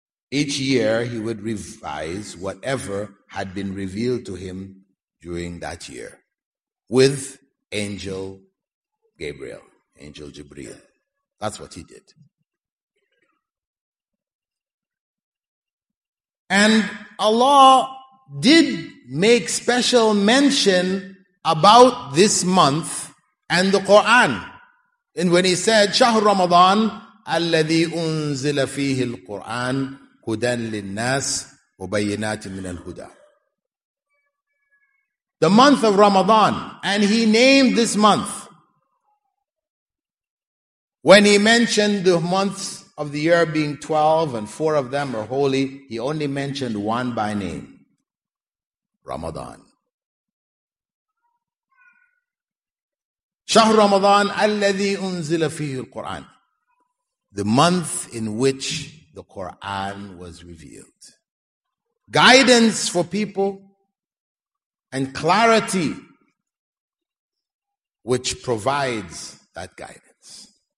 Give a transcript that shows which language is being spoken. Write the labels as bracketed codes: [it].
[en] Each year he would revise whatever had been revealed to him during that year with Angel Gabriel, Angel Jibreel. That's what he did. And Allah did make special mention about this month and the Quran. And when he said, [ar] شهر رمضان الذي أنزل فيه القرآن هدى للناس وبينات من الهدى. [en] The month of Ramadan. And he named this month. When he mentioned the months of the year being 12 and four of them are holy, he only mentioned one by name. Ramadan. [ar] شهر رمضان الذي أنزل فيه القرآن. [en] The month in which the Quran was revealed. Guidance for people and clarity which provides that guidance.